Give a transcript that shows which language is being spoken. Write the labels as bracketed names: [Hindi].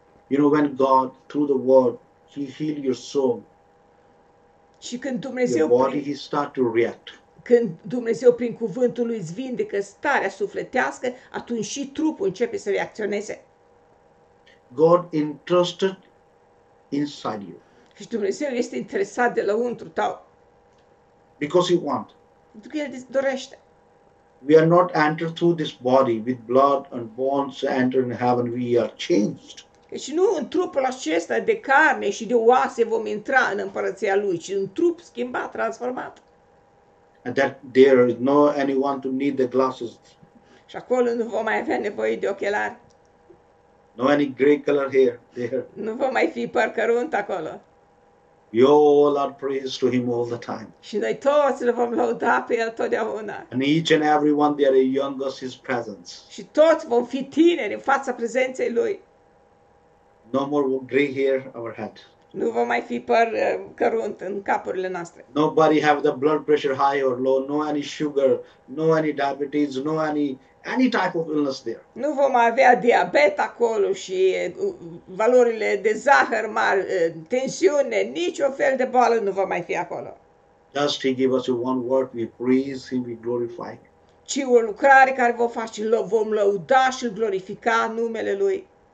[English] You know, when God, through the word, he healed your soul, [Romanian] și când Dumnezeu, [English] your body, he start to react. [Romanian] Când Dumnezeu prin cuvântul lui îți vindecă starea sufletească, atunci și trupul începe să reacționeze. [English] God interested inside you. [Romanian] Și Dumnezeu este interesat de lăuntru tău. [English] Because he want. [Romanian] Pentru că el dorește. [English] We are not entered through this body with blood and bones enter in heaven. We are changed. [Romanian] Deci nu în trupul acesta de carne și de oase vom intra în împărăția lui, ci în trup schimbat, transformat. [English] And that there is no anyone to need the glasses. [Romanian] Și acolo nu vom mai avea nevoie de ochelari. [English] No any gray color here, there. [Romanian] Nu vom mai fi păr cărunt acolo. [English] We all are praise to him all the time. [Romanian] Și noi toți le vom lăuda pe el totdeauna. [English] And each and everyone there are young as his presence. [Romanian] Și toți vom fi tineri în fața prezenței lui. [English] No more gray hair our head. [Romanian] Nu va mai fi păr cărunt în capurile noastre. [English] Nobody have the blood pressure high or low, no any sugar, no any diabetes, no any type of illness there. [Romanian] Nu vom mai avea diabet acolo și valorile de zahăr mari, tensiune, nici o fel de boală nu va mai fi acolo. [English] Just he give us one word, we praise him, we glorify. [Romanian] Ci o lucrare care vom face, vom lăuda și glorifica numele lui.